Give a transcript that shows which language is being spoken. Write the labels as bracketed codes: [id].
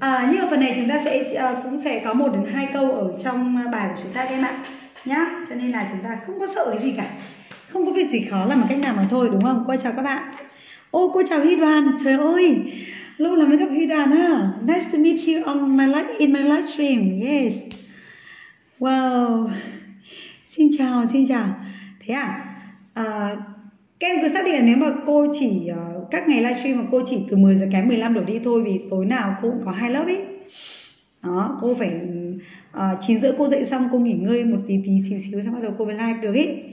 [vi] Nhưng mà phần này chúng ta sẽ cũng sẽ có 1 đến 2 câu ở trong bài của chúng ta các em ạ. Nhá, cho nên là chúng ta không có sợ cái gì cả. Không có việc gì khó làm một cách nào mà thôi đúng không? Cô chào các bạn. Ô, cô chào Huy Đoàn, trời ơi. Lâu lắm mới gặp Huy Đoàn ha. [en] Nice to meet you on my live stream. [vi] Yes. Wow, xin chào, xin chào. Thế à, các em cứ xác định là nếu mà cô chỉ các ngày livestream mà cô chỉ từ 10 giờ kém 15 đổ đi thôi, vì tối nào cô cũng có hai lớp ý. Đó, cô phải 9 giờ cô dậy xong, cô nghỉ ngơi một tí tí xíu xíu xong bắt đầu cô mới live được ý.